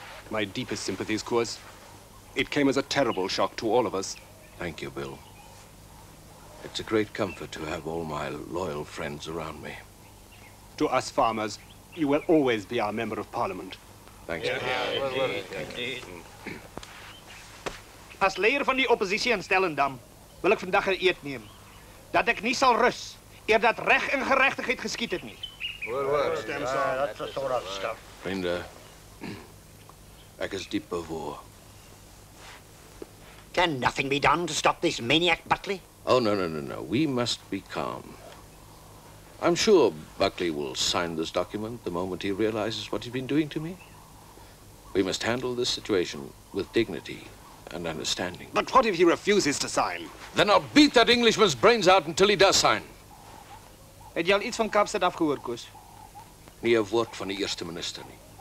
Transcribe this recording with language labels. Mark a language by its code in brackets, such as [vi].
[en] My deepest sympathies, Coors. It came as a terrible shock to all of us. Thank you, Bill. It's a great comfort to have all my loyal friends around me. To us farmers, you will always be our Member of Parliament. Thanks, Bill. Indeed. [af] As leader van die oppositie in Stellendam, wil ek vandag 'n eed neem dat ek nie sal rus eer dat reg en geregtigheid geskied het nie. Woord, stem sa. [en] That's a sort of stuff. [af] Vriende, ek is diep bevoor. [en] Can nothing be done to stop this maniac, Buckley? Oh, no. We must be calm. I'm sure Buckley will sign this document the moment he realizes what he's been doing to me. We must handle this situation with dignity and understanding. But what if he refuses to sign? Then I'll beat that Englishman's brains out until he does sign. [af] Het jy al iets van Kaapstad afgehoor, Koos? Nie 'n woord van die eerste minister nie.